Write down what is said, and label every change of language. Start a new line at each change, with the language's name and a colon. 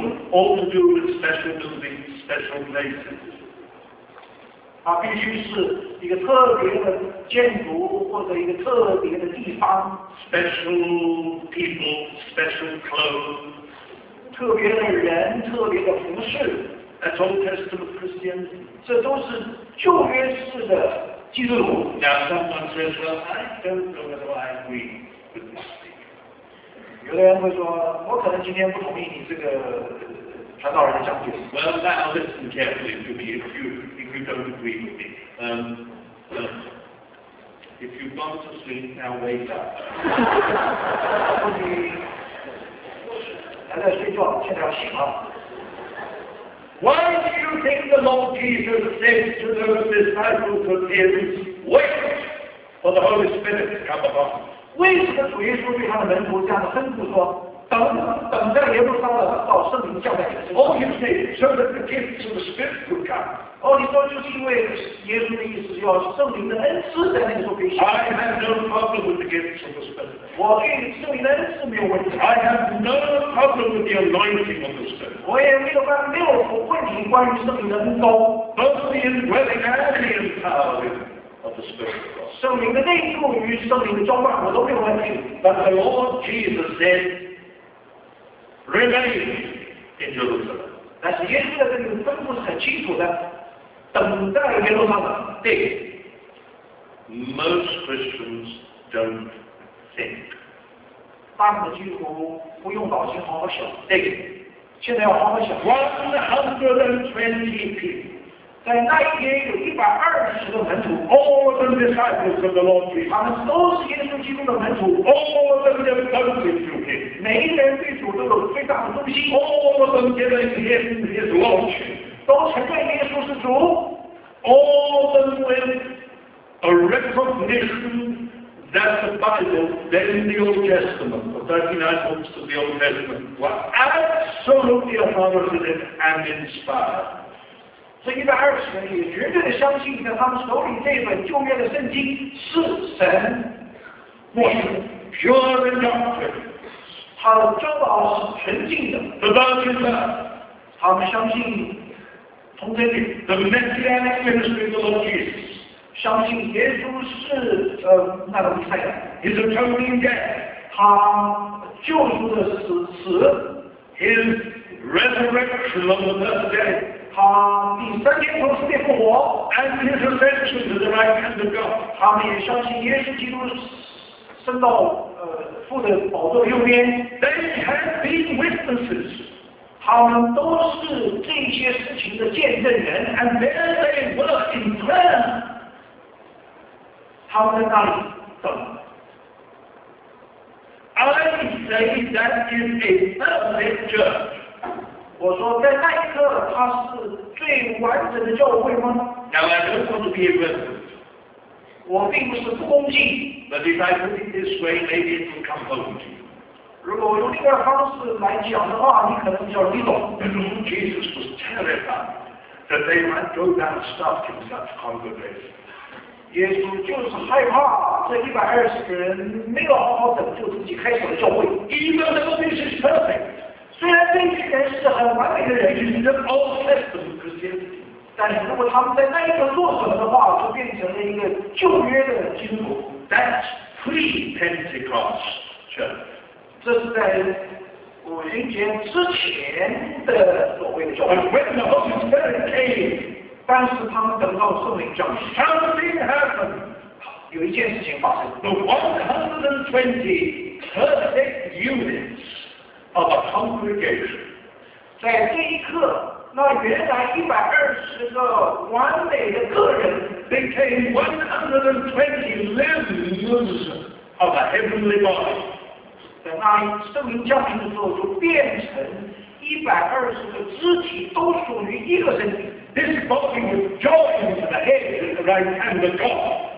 English: All to do with special buildings, special places.
Chinese: 啊，必须是一个特别的建筑或者一个特别的地方。
English: Special people, special clothes.
Chinese: 特别的人，特别的服饰。
English: That's Old Testament Christians.
Chinese: 这都是旧约式的基督徒。
English: Now someone says, "Well, I don't know whether I agree with this thing."
Chinese: 有的人会说，我可能今天不同意你这个传道人的讲解。
English: Well, now listen carefully to me, if you. If you don't agree with me, if you've gone to sleep, now wake up.
Chinese: 你还在睡觉，现在要醒了。
English: Why do you think the Lord Jesus said to those disciples of His, "Wait for the Holy Spirit to come upon"?
Chinese: 为什么主耶稣对他的门徒这样吩咐说？等在耶路撒冷到圣灵降下来。
English: All you say, so that the gifts of the Spirit could come.
Chinese: 哦，你说就是因为耶稣的意思，要圣灵的恩赐在那个时候可以显现。
English: I have no problem with the gifts of the Spirit.
Chinese: 我对圣灵的恩赐没有问题。
English: I have no problem with the anointing of the Spirit.
Chinese: 我也没有问题关于圣灵的恩膏。
English: Both the indwelling and the empowering of the Spirit.
Chinese: 圣灵的内住与圣灵的浇灌，我都没有问题。
English: But the Lord Jesus said. Remain in Jerusalem.
Chinese: 但是耶稣的这个吩咐是很清楚的，等在耶路撒冷。对。
English: Most Christians don't think.
Chinese: 大部分基督徒不用脑筋好好想。对。现在要好好想。
English: 120 people.
Chinese: 在那一天有120个门徒。
English: All of them disciples of the Lord Jesus.
Chinese: 他们都是耶稣基督的门徒。
English: All of them devoted to Him.
Chinese: 每一个人对主都有最大的忠心。
English: All of them give Him His lordship.
Chinese: 都承认耶稣是主。
English: All of them with a recognition that the Bible, then the Old Testament, the 39 books of the Old Testament, were absolutely authoritative and inspired.
Chinese: 所以120人也绝对的相信，在他们手里这本旧约的圣经是神默示的
English: pure in doctrine.
Chinese: 他的教导是纯净的。
English: The Virgin Birth.
Chinese: 他们相信从这里。
English: The Messianic Ministry of the Lord Jesus.
Chinese: 相信耶稣是那个弥赛亚。
English: His Atoning Death.
Chinese: 他救赎的死。
English: His Resurrection on the third day.
Chinese: 他第三天从死里复活。
English: And His Ascension to the right hand of God.
Chinese: 他们也相信耶稣基督升到父的宝座右边。
English: They have been witnesses.
Chinese: 他们都是这些事情的见证人。
English: And there they were in prayer.
Chinese: 他们在那里等。
English: I say that is a perfect church.
Chinese: 我说在那一刻，它是最完整的教会吗
English: ？Now I don't want to be a witness.
Chinese: 我并不是不恭敬。
English: But if I put it this way, maybe it will come home to you.
Chinese: 如果我用另外方式来讲的话，你可能比较容易懂。
English: But Lord Jesus was terrified that they might go down starting such congregation.
Chinese: 耶稣就是害怕这120人没有好好等就自己开始了教会。
English: Even though this is perfect,
Chinese: 虽然这些人是很完美的人，就是
English: the Old Testament Christians.
Chinese: 但是如果他们在那一刻做什么的话，就变成了一个旧约的基督徒。
English: That's pre-Pentecost church.
Chinese: 这是在五旬节之前的所谓的教会。
English: But when the Holy Spirit came,
Chinese: 但是他们等到圣灵降临
English: ，something happened.
Chinese: 有一件事情发生。
English: The 120 perfect units of a congregation.
Chinese: 在这一刻。那原来120个完美的个人
English: became 120 limbs of a heavenly body.
Chinese: 等那圣灵降临的时候，就变成120个肢体都属于一个身体。
English: This brought him with joy into the head at the right hand of God.